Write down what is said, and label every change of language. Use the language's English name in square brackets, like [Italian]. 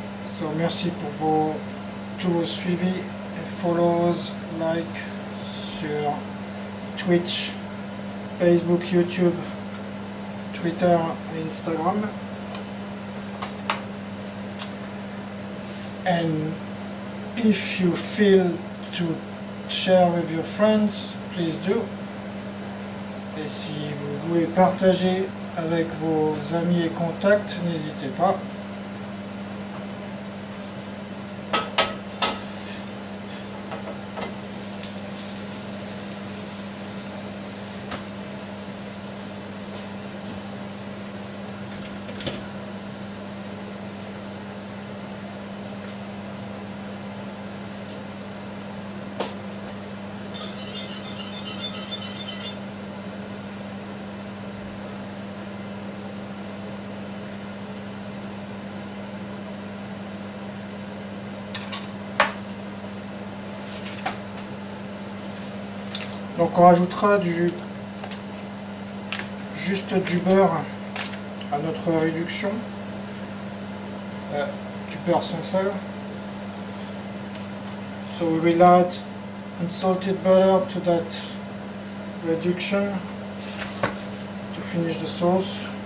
[French] So merci pour vos tous vos suivis et follows, like sur Twitch, Facebook, YouTube, Twitter et Instagram. [English] And if you feel to share with your friends, please do. [French] Et si vous voulez partager avec vos amis et contacts, n'hésitez pas. Donc on rajoutera juste du beurre à notre réduction, du beurre sans sel. [English] So we will add unsalted butter to that reduction to finish the sauce.